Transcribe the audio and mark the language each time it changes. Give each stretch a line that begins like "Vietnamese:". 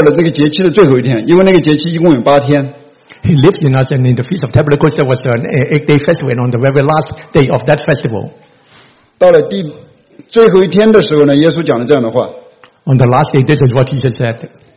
Chinese: 他住在我们当中，然后在那个节期的时候，就是那个祝棚节的时候，在第七章的时候，他就说到了那个节期的最后一天，因为那个节期一共有八天。
English: He lived in us, and in the Feast of Tabernacles, there was an 8-day festival, and on the very last day of that festival.
Chinese: 到了最后一天的时候呢，耶稣讲了这样的话。
English: On the last day, this is what Jesus said.